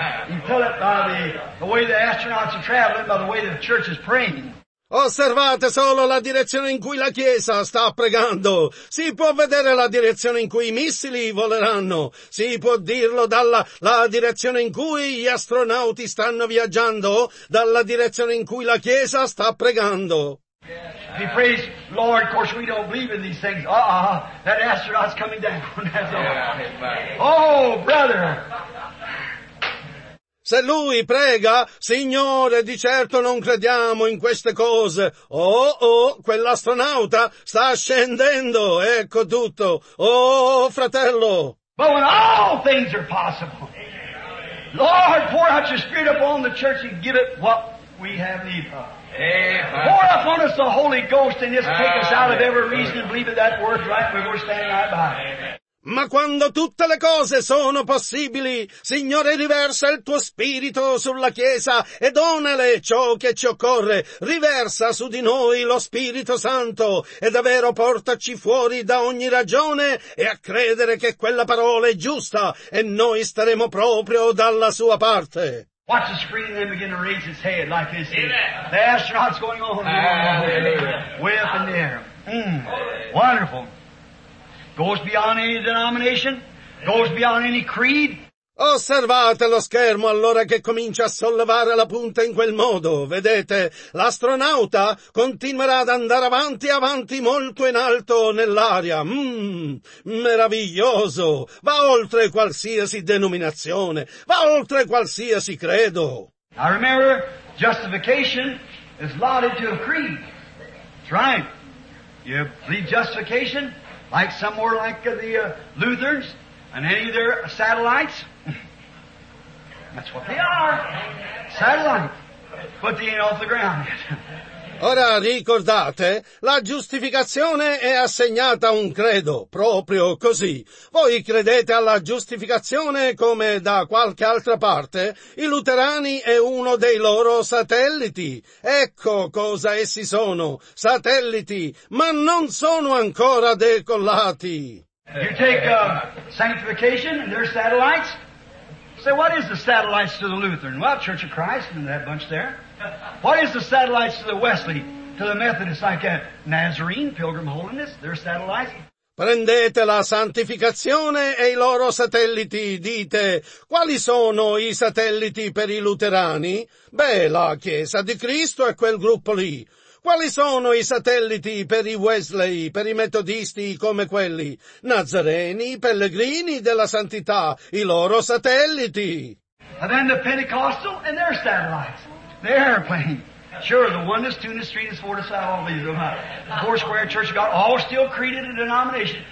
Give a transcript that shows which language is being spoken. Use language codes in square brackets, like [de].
[en] You tell it by the way the astronauts are traveling, by the way the church is praying. [it] Osservate solo la direzione in cui la Chiesa sta pregando. Si può vedere la direzione in cui i missili voleranno. Si può dirlo dalla la direzione in cui gli astronauti stanno viaggiando, dalla direzione in cui la Chiesa sta pregando. [en] He prays, Lord, of course we don't believe in these things. Uh-uh, that astronaut's coming down. That's all. Oh, brother! [it] Se lui prega, Signore, di certo non crediamo in queste cose. Oh, oh, quell'astronauta sta scendendo. Ecco tutto. Oh, fratello! [en] But when all things are possible, Lord, pour out your Spirit upon the church and give it what we have need of. Amen. Pour upon us the Holy Ghost and just take us out of every reason and believe in that word right where we're standing right by. [it] Ma quando tutte le cose sono possibili, Signore, riversa il tuo spirito sulla Chiesa e donale ciò che ci occorre. Riversa su di noi lo Spirito Santo e davvero portaci fuori da ogni ragione e a credere che quella parola è giusta e noi staremo proprio dalla sua parte. [en] Watch the screen and then begin to raise its head like this. The astronaut's going on. Way up in the air. Wonderful. Goes beyond any denomination. Goes beyond any creed. [it] Osservate lo schermo allora che comincia a sollevare la punta in quel modo. Vedete, l'astronauta continuerà ad andare avanti, avanti molto in alto nell'aria. Meraviglioso! Va oltre qualsiasi denominazione, va oltre qualsiasi credo. [en] I remember justification is lauded to a creed. That's right. You believe justification like somewhere like the Lutherans and any of their satellites? That's what they are. Satellite. But they ain't off the ground yet. [it] Ora ricordate, la giustificazione è assegnata a un credo, proprio così. Voi credete alla giustificazione come da qualche altra parte? I luterani è uno dei loro satelliti. Ecco cosa essi sono, satelliti, ma non sono ancora decollati. [en] You take sanctification and their satellites? Say, what is the satellites to the Lutheran? Well, Church of Christ and that bunch there. What is the satellites to the Wesley, to the Methodist, like that Nazarene, Pilgrim Holiness, their satellites? [it] Prendete la santificazione e i loro satelliti, dite, quali sono i satelliti per i luterani? Beh, la Chiesa di Cristo è quel gruppo lì. Quali sono i satelliti per i Wesley, per i metodisti come quelli? Nazareni, i pellegrini della santità, i loro satelliti. [en] And then the Pentecostal and their satellites. The airplane. Sure, the oneness, two-ness, three-ness, four-ness, all these of them. Four square church of God, all still created a denomination.